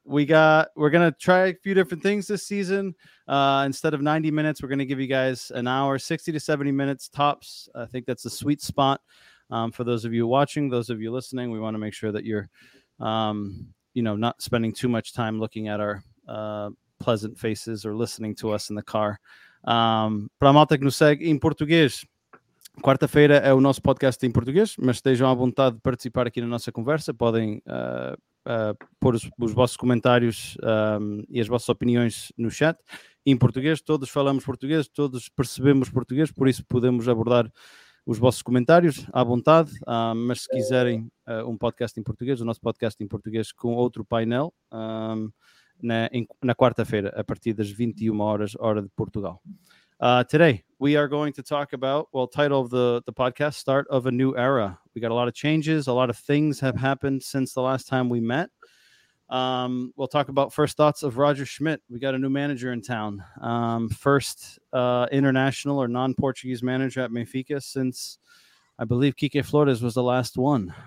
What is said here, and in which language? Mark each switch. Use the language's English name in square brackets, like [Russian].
[English] We're gonna try a few different things this season. Instead of 90 minutes, we're gonna give you guys an hour, 60 to 70 minutes tops. I think that's a sweet spot. For those of you watching, those of you listening, we want to make sure that you're, not spending too much time looking at our pleasant faces or listening to us in the car. [Portuguese] Para malta que nos segue em português, quarta-feira é o nosso podcast em português, mas estejam à vontade de participar aqui na nossa conversa. Podem pôr os vossos comentários e as vossas opiniões no chat em português. Todos falamos português, todos percebemos português, por isso podemos abordar os vossos comentários à vontade, mas se quiserem um podcast em português, o nosso podcast em português com outro painel, na quarta-feira, a partir das 21 horas, hora de Portugal. [English] Today, we are going to talk about, title of the podcast, Start of a New Era. We got a lot of changes, a lot of things have happened since the last time we met. We'll talk about first thoughts of Roger Schmidt. We got a new manager in town. First international or non-Portuguese manager at Benfica since, I believe, Kike Flores was the last one.